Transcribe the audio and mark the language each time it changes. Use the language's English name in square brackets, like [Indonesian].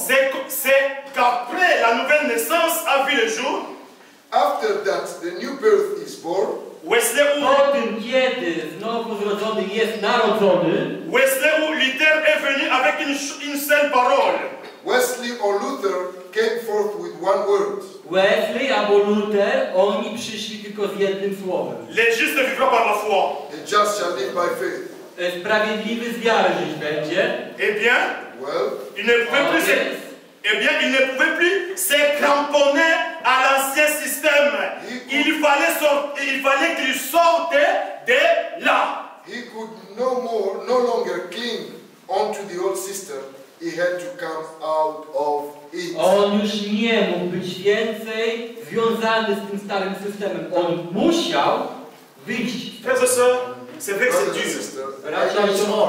[French] c'est qu'après la nouvelle naissance a vu le jour. [English] After that, the new birth is born. Wesley U. [Polish] Po tym, kiedy znowu zrodzony jest narodzony. Wesley U. [French] Luther est venu avec une seule parole. [English] Wesley or Luther came forth with one word. [Polish] Wesley albo Luther, oni przyszli tylko z jednym słowem. [French] Le juste vivra par la foi. [English] The just shall live by faith. [Polish] Sprawiedliwy z wiary żyć będzie. [French] Eh bien, [English] well, [French] il ne pouvait plus se... Eh bien, il ne pouvait plus se cramponner à l'ancien système. Il fallait qu'il sorte de là. [English] He could no longer cling onto the old system. He had to come out of it. [Polish] On już nie mógł być więcej związany z tym starym systemem. On musiał wyjść. [French] Professor, c'est vrai que c'est dur.